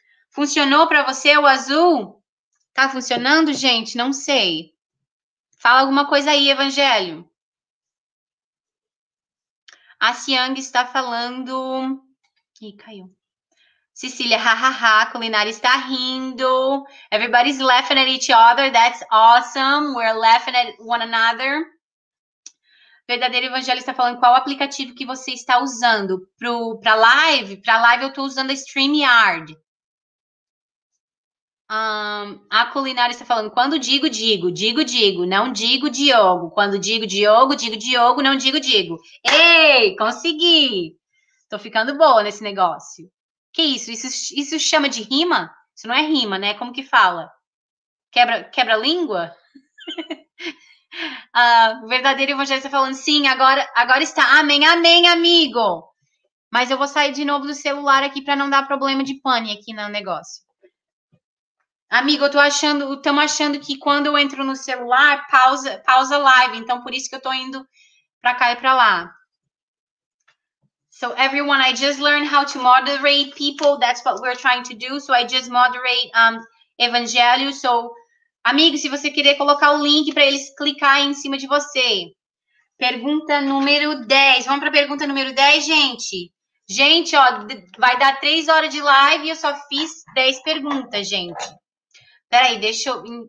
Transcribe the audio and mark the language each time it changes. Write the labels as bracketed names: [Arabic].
[Portuguese] Funcionou pra você o azul? Tá funcionando, gente? Não sei. Fala alguma coisa aí, Evangelho. A Siang está falando... Ih, caiu. Cecília, hahaha, culinária está rindo. [English] Everybody's laughing at each other. That's awesome. We're laughing at one another. [Portuguese] Verdadeiro Evangelho está falando, qual aplicativo que você está usando? Para live? Para live eu estou usando a StreamYard. A culinária está falando, quando digo, não digo Diogo, quando digo Diogo, não digo Diego. Ei, consegui, tô ficando boa nesse negócio. Que isso, isso chama de rima? Isso não é rima, né? Como que fala? Quebra língua? O verdadeiro evangelista falando, sim, agora está. Amém, amém, amigo. Mas eu vou sair de novo do celular aqui para não dar problema de pane aqui no negócio. Amigo, estamos achando que quando eu entro no celular, pausa live. Então, por isso que eu estou indo para cá e para lá. [English] So, everyone, I just learned how to moderate people. That's what we're trying to do. So, I just moderate Evangelho. [Portuguese] So, amigo, se você querer colocar o link para eles clicar em cima de você. Pergunta número 10. Vamos para a pergunta número 10, gente? Gente, ó, vai dar 3 horas de live e eu só fiz 10 perguntas, gente. Peraí, deixa eu...